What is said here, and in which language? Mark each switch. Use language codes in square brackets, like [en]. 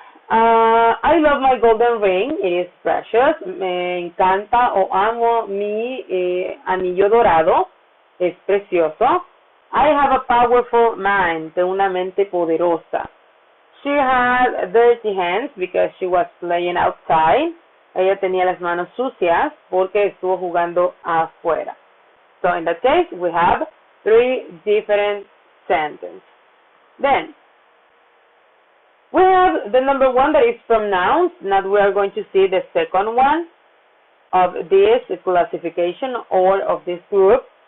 [en] I love my golden ring. It is precious. [es] Me encanta o amo mi anillo dorado. Es precioso. [en] I have a powerful mind. [es] De una mente poderosa. [en] She had dirty hands because she was playing outside. [es] Ella tenía las manos sucias porque estuvo jugando afuera. [en] So in that case, we have three different sentences. Then we have the number one that is from nouns. Now we are going to see the second one of this classification or of this group.